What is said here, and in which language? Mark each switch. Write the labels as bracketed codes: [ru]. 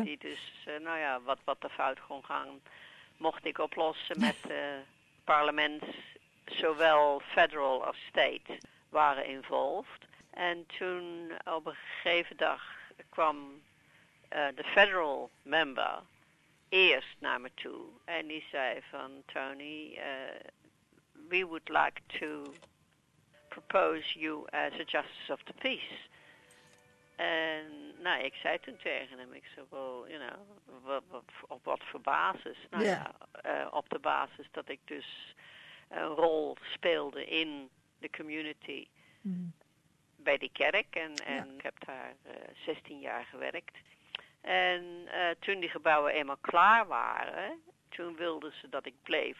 [nl] Die dus, nou ja, wat er fout kon gaan, mocht ik oplossen met parlement. Zowel federal als state waren involved. En toen op een gegeven dag kwam de federal member eerst naar me toe. En die zei van, [en] Tony, we would like to propose you as a justice of the peace. [nl] En nou, ik zei toen tegen hem, ik zei, [en] well, you know, [nl] op wat voor basis? Nou [en] yeah. [nl] Ja, op de basis dat ik dus een rol speelde in de community bij die kerk. En ik heb daar 16 jaar gewerkt. En toen die gebouwen eenmaal klaar waren, toen wilden ze dat ik bleef.